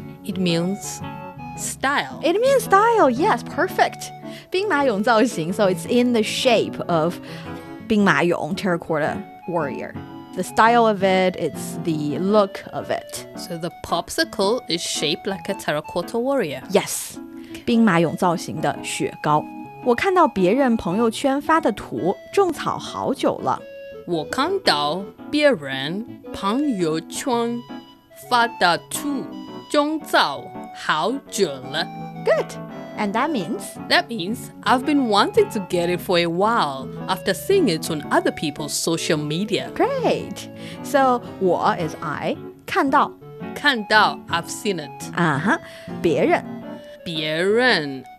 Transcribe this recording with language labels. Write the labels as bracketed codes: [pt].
[en] It means style. It means style, yes, perfect. 兵马俑造型 So it's in the shape of 兵马俑 terracotta warrior. The style of it, it's the look of it. So the popsicle is shaped like a terracotta warrior. Yes. [zh] 兵马俑造型的雪糕我看到别人朋友圈发的图种草好久了我看到别人朋友圈发的图种草好久了 [en] Good! And that means? That means I've been wanting to get it for a while after seeing it on other people's social media Great! So, 我 is I 看到看到 I've seen it [zh] 别人别人